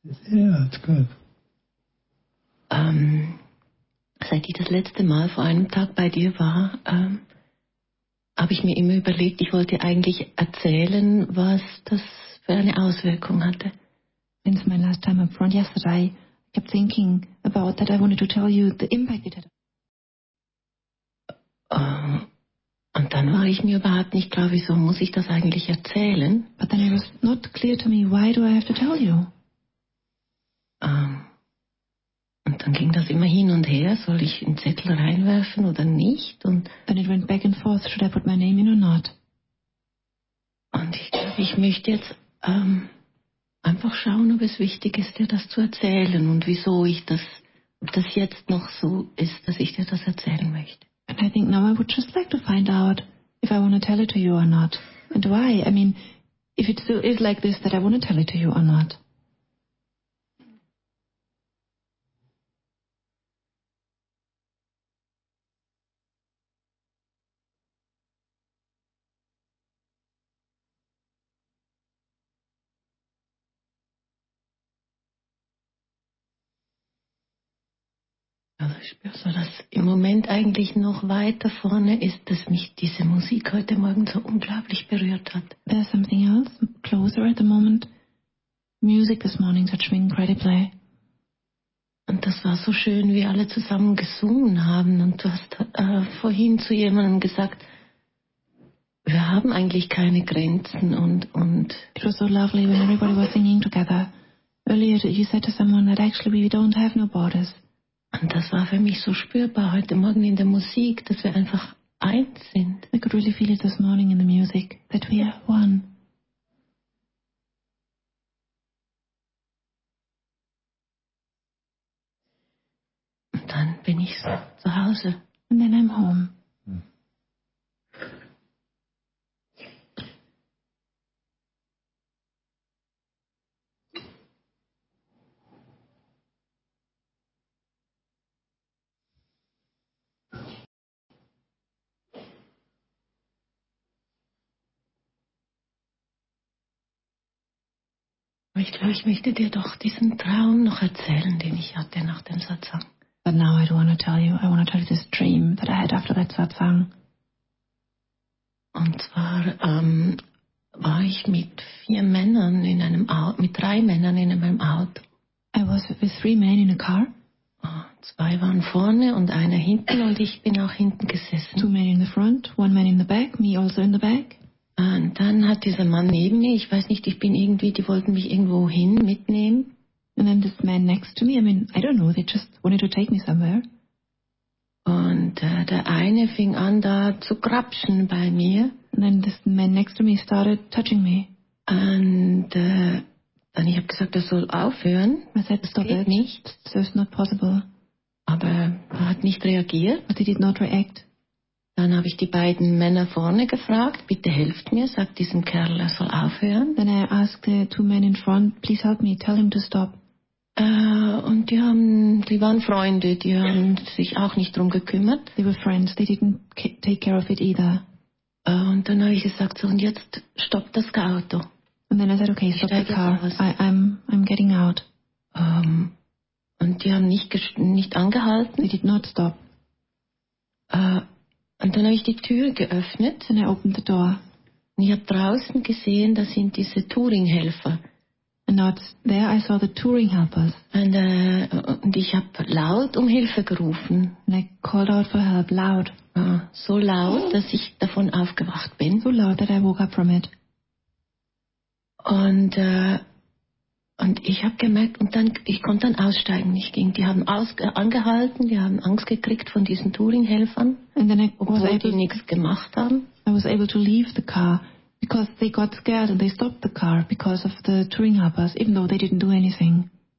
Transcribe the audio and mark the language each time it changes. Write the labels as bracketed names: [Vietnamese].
[English] Yeah, it's good. [German] Seit ich das letzte Mal vor einem Tag bei dir war, habe ich mir immer überlegt, ich wollte eigentlich erzählen, was das für eine Auswirkung hatte. [English] Since my last time up front yesterday, I kept thinking about that I wanted to tell you the impact it had. [German] Und dann war ich mir überhaupt nicht klar, wieso muss ich das eigentlich erzählen? [English] But then it was not clear to me, why do I have to tell you? [German] Und dann ging das immer hin und her, soll ich einen Zettel reinwerfen oder nicht? Und [English] then it went back and forth, should I put my name in or not? [German] Und ich glaube, ich möchte jetzt einfach schauen, ob es wichtig ist, dir das zu erzählen und wieso ich das, ob das jetzt noch so ist, dass ich dir das erzählen möchte. [English] And I think now I would just like to find out if I want to tell it to you or not. And why? I mean, if it still is like this, that I want to tell it to you or not. [German] Also ich spüre so, dass im Moment eigentlich noch weiter vorne ist, dass mich diese Musik heute Morgen so unglaublich berührt hat. [English] There's something else closer at the moment. Music this morning touched me incredibly. [German] Und das war so schön, wie alle zusammen gesungen haben. Und du hast vorhin zu jemandem gesagt, wir haben eigentlich keine Grenzen und. [English] It was so lovely when everybody was singing together. Earlier you said to someone that actually we don't have no borders. [German] Und das war für mich so spürbar heute Morgen in der Musik, dass wir einfach eins sind. [English] I could really feel it this morning in the music, that we are one. [German] Und dann bin ich so zu Hause. [English] And then I'm home. [German] Ich glaube, ich möchte dir doch diesen Traum noch erzählen, den ich hatte nach dem Satsang. [English] But now I don't want to tell you. I want to tell you this dream that I had after that Satsang. [German] Und zwar war ich mit vier Männern in einem Auto, mit drei Männern in einem Auto. [English] I was with three men in a car. [German] Zwei waren vorne und einer hinten und ich bin auch hinten gesessen. [English] Two men in the front, one man in the back, me also in the back. [German] Und dann hat dieser Mann neben mir, ich weiß nicht, ich bin irgendwie, die wollten mich irgendwo hin mitnehmen. [English] And then this man next to me, I mean, I don't know, they just wanted to take me somewhere. [German] Und der eine fing an da zu grapschen bei mir. [English] And then this man next to me started touching me. [German] Und dann ich habe gesagt, er soll aufhören. [English] I said, stop it. [German] Nicht. [English] So it's not possible. [German] Aber er hat nicht reagiert. [English] But he did not react. [German] Dann habe ich die beiden Männer vorne gefragt, bitte helft mir, sagt diesem Kerl, er soll aufhören. [English] Then I asked the two men in front, please help me, tell him to stop. [German] Und die waren Freunde, die haben sich auch nicht drum gekümmert. [English] They were friends, they didn't take care of it either. [German] Und dann habe ich gesagt, so und jetzt stoppt das Auto. [English] And then I said, okay, stop the car, I'm getting out. [German] Und die haben nicht angehalten. [English] They did not stop. [German] Und dann habe ich die Tür geöffnet und er [English] opened the door. [German] Und ich habe draußen gesehen, da sind diese Touring-Helfer. [English] And now it's there, I saw the touring helpers. [German] Und ich habe laut um Hilfe gerufen. [English] And I called out for help, loud. [German] So laut, dass ich davon aufgewacht bin. [English] So loud that I woke up from it. [German] Und ich habe gemerkt, und dann ich konnte dann aussteigen. Ich ging, die haben angehalten, die haben Angst gekriegt von diesen Touring-Helfern. [English] And then I [German] obwohl was die nichts gemacht haben. [English] I was able to leave the car. Because they got scared and they stopped the car because of the touring helpers, even though they didn't do anything.